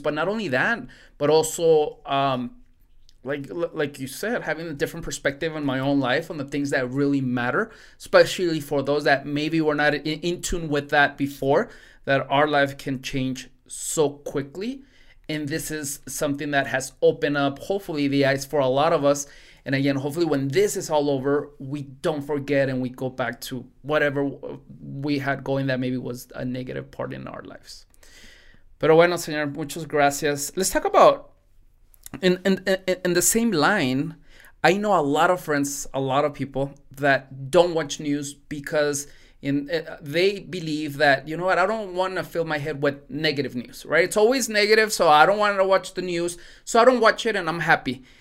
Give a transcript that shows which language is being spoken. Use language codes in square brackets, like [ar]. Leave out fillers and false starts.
[en] But not only that, but also, like you said, having a different perspective on my own life, on the things that really matter, especially for those that maybe were not in tune with that before, that our life can change so quickly. And this is something that has opened up, hopefully, the eyes for a lot of us. And again, hopefully when this is all over, we don't forget and we go back to whatever we had going that maybe was a negative part in our lives. [es] Pero bueno, señor, muchas gracias. [en] Let's talk about, in the same line, I know a lot of friends, a lot of people that don't watch news because they believe that, you know what, I don't want to fill my head with negative news, right? It's always negative, so I don't want to watch the news. So I don't watch it and I'm happy.